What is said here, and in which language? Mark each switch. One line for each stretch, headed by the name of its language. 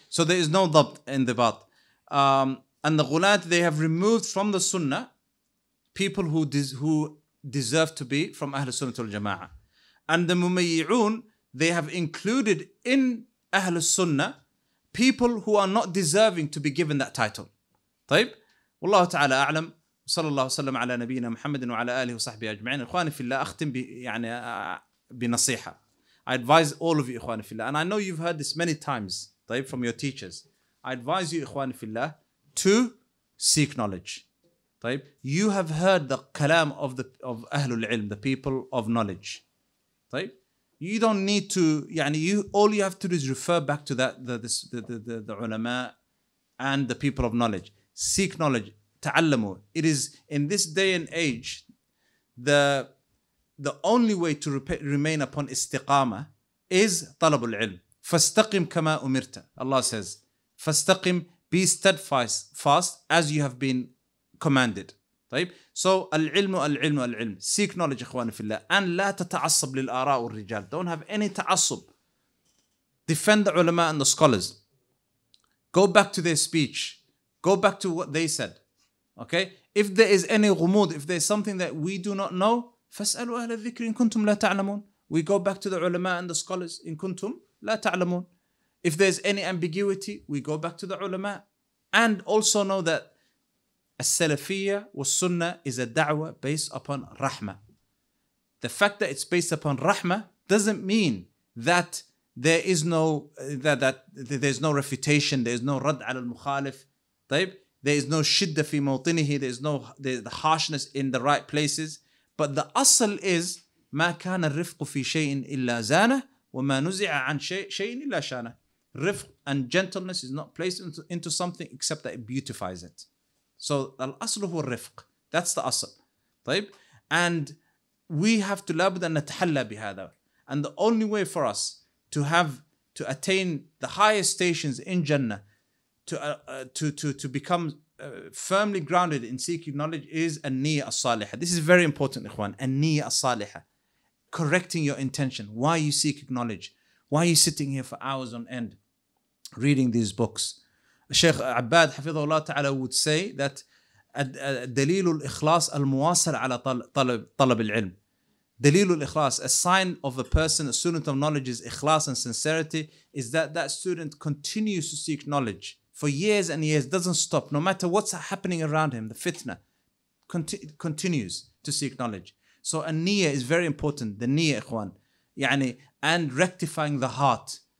English: So there is no dhabt in the bat. And the ghulat, they have removed from the sunnah people who deserve to be from Ahl Sunnah wal Jama'ah. And the mumayyi'un, they have included in Ahl Sunnah people who are not deserving to be given that title.
Arabic: طيب؟ والله تعالى أعلم صلى الله وسلم على نبينا محمد وعلى آله وصحبه أجمعين. إخواني في الله أختم بنصيحة.
English: I advise all of you,
Arabic: إخواني في الله.
English: And I know you've heard this many times, طيب, from your teachers. I advise you,
Arabic: إخواني في الله,
English: to seek knowledge. طيب, you have heard the kalam of the of أهل العلم, the people of knowledge. طيب, you don't need to, all you have to do is refer back to that the ulama and the people of knowledge. Seek knowledge. تعلموا. It is in this day and age, the only way to remain upon istiqama is طلب العلم.
Arabic: فاستقم كما أمرت.
English: Allah says, فاستقم, be steadfast, fast as you have been commanded.
Arabic: طيب.
English: So
Arabic: العلم العلم العلم.
English: Seek knowledge,
Arabic: إخواني في الله.
English: And
Arabic: لا تتعصب للآراء والرجال.
English: Don't have any تعصب. Defend the ulama and the scholars. Go back to their speech. Go back to what they said. Okay. If there is any غموض, if there is something that we do not know,
Arabic: فاسألوا أهل الذكر إن كنتم لا تعلمون.
English: We go back to the ulama and the scholars.
Arabic: إن كنتم لا تعلمون.
English: If there is any ambiguity, we go back to the ulama. And also know that
Arabic: السلفية والسنة
English: is a دعوة based upon رحمة. The fact that it's based upon رحمة doesn't mean that there is no that there is no refutation, there is no
Arabic: رد على المخالف.
English: طيب, there is no
Arabic: شدة في موطنه,
English: there is no the harshness in the right places. But the
Arabic: أصل is ما كان الرفق في شيء إلا زانه وما نزع عن شيء إلا شانه.
English: Rifq and gentleness is not placed into something except that it beautifies it.
Arabic: So الأصل هو الرفق.
English: That's the أصل.
Arabic: طيب,
English: and we have to
Arabic: لابد أن نتحلى بهذا.
English: And the only way for us to attain the highest stations in Jannah, to become firmly grounded in seeking knowledge is an-niyya as-saliha. This is very important, Ikhwan. An-niyya as-saliha. Correcting your intention. Why you seek knowledge? Why are you sitting here for hours on end reading these books? Sheikh Abbad, حفظه الله تعالى, would say that
Arabic: دليل الإخلاص المواصل على طلب العلم. دليل الإخلاص,
English: a sign of a person, a student of knowledge, is إخلاص and sincerity, is that student continues to seek knowledge for years and years, doesn't stop, no matter what's happening around him, the fitna, continues to seek knowledge. So an-niyya is very important, the niyya, Ikhwan. And rectifying the heart.